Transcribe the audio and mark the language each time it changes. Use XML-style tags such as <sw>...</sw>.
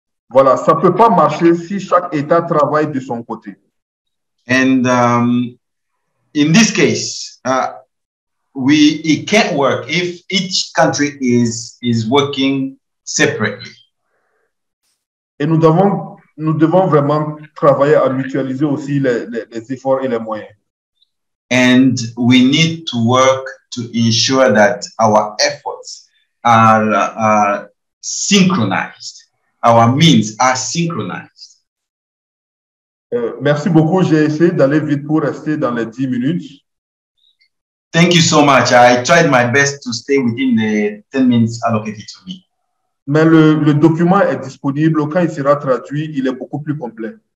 <fr>Voilà, ça peut pas marcher si chaque État travaille de son côté.</fr> <en>And in this case, it can't work if each country is working separately.</en> <fr>Et nous devons vraiment travailler à mutualiser aussi les efforts et les moyens.</fr> <en>And we need to work to ensure that our efforts are synchronized. Our means are synchronized.</en> <fr>Merci beaucoup. J'ai essayé d'aller vite pour rester dans les 10 minutes.</fr> <en>Thank you so much. I tried my best to stay within the 10 minutes allocated to me.</en> <fr>Mais le document est disponible. Quand il sera traduit, il est beaucoup plus complet.</fr>